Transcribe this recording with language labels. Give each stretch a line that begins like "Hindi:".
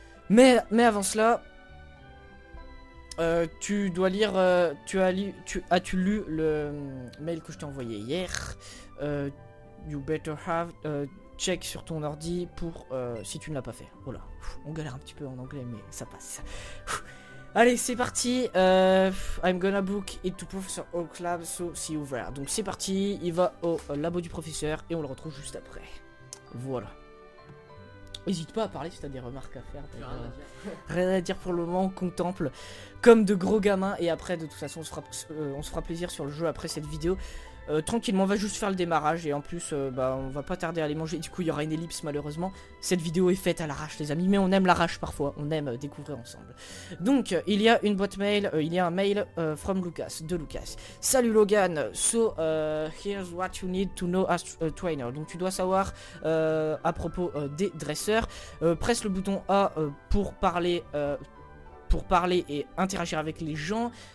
French: Mais avant cela, tu dois lire, as-tu lu le mail que je t'ai envoyé hier?
English: You better have check
French: sur ton ordi pour si tu ne l'as pas fait. Voilà, on galère un petit peu en anglais, mais ça passe. Allez, c'est parti.
English: I'm gonna book it to Professor Oak Lab, so see you there.
French: Donc c'est parti, il va au labo du professeur et on le retrouve juste après. Voilà. N'hésite pas à parler si t'as des remarques à faire. Rien à dire pour le moment, on contemple comme de gros gamins. Et après, de toute façon, on se fera plaisir sur le jeu après cette vidéo. Tranquillement, on va juste faire le démarrage. Et en plus, on va pas tarder à aller manger. Du coup, il y aura une ellipse malheureusement. Cette vidéo est faite à l'arrache, les amis. Mais on aime l'arrache parfois, on aime découvrir ensemble. Donc, il y a une boîte mail,
English: from Lucas,
French: de Lucas.
English: Salut Logan, so here's what you need to know as a trainer.
French: Donc tu dois savoir à propos des dresseurs. Presse le bouton A pour parler et interagir avec les gens.